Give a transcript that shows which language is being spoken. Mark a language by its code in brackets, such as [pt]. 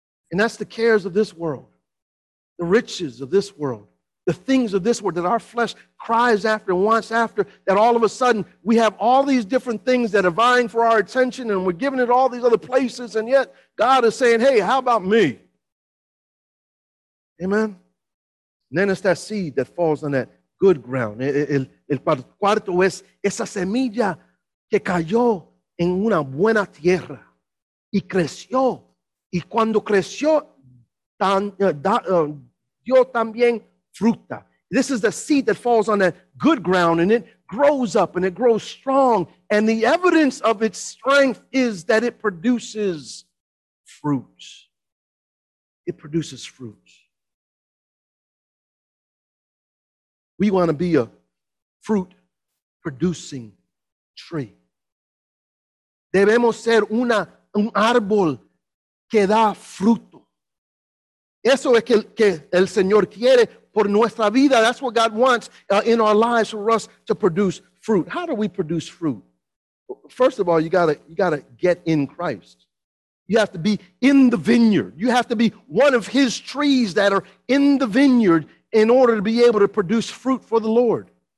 [en] And that's the cares of this world, the riches of this world, the things of this world that our flesh cries after and wants after, that all of a sudden we have all these different things that are vying for our attention and we're giving it all these other places, and yet God is saying, hey, how about me? Amen? And then it's that seed that falls on that good ground. [es] El cuarto es esa semilla que cayó en una buena tierra y creció. Y cuando creció, dio también fruta. [en] This is the seed that falls on that good ground and it grows up and it grows strong. And the evidence of its strength is that it produces fruit. It produces fruit. We want to be a fruit-producing tree. [es] Debemos ser un árbol que da fruto. Eso es que el Señor quiere por nuestra vida. [en] That's what God wants in our lives for us to produce fruit. How do we produce fruit? First of all, you gotta get in Christ. You have to be in the vineyard. You have to be one of his trees that are in the vineyard in order to be able to produce fruit for the Lord.